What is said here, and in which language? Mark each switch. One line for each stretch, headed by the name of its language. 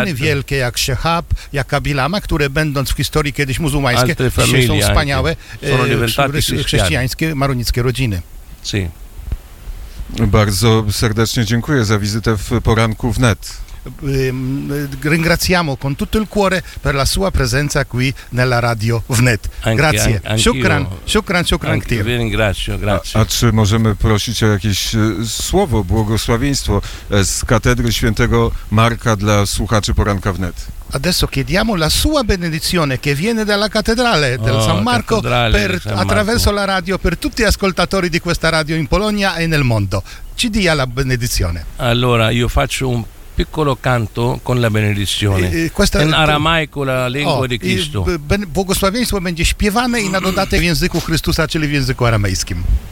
Polish: rodziny wielkie jak Shehab, jak Abilama, które będąc w historii kiedyś muzułmańskie,
Italian: altre familie
Polish: są wspaniałe, chrześcijańskie, maronickie rodziny.
Italian: Si.
Polish: Bardzo serdecznie dziękuję za wizytę w poranku w net.
Italian: Ringraziamo con tutto il cuore per la sua presenza qui nella radio VNET. Grazie. Shukran. Grazie.
Polish: A czy możemy prosić o jakieś słowo, błogosławieństwo z katedry świętego Marka dla słuchaczy poranka VNET?
Italian: Adesso chiediamo la sua benedizione che viene dalla cattedrale del San Marco per, attraverso la radio per tutti gli ascoltatori di questa radio in Polonia e nel mondo. Ci dia la benedizione. Allora io faccio un piccolo canto con la benedizione in aramaico, la lingua di Cristo.
Polish: Błogosławieństwo będzie śpiewane i na dodatek w języku Chrystusa, czyli w języku aramejskim.